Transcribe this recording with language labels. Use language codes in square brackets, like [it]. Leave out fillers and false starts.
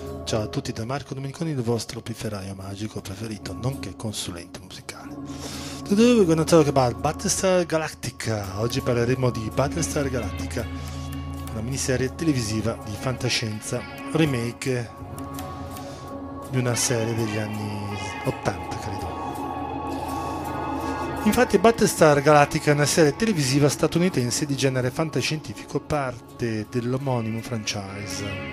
[it] Ciao a tutti da Marco Domeniconi, il vostro pifferaio magico preferito, nonché consulente musicale. [en] Today we're gonna talk about Battlestar Galactica. [it] Oggi parleremo di Battlestar Galactica, una miniserie televisiva di fantascienza, remake di una serie degli anni 80, credo. Infatti, Battlestar Galactica è una serie televisiva statunitense di genere fantascientifico, parte dell'omonimo franchise.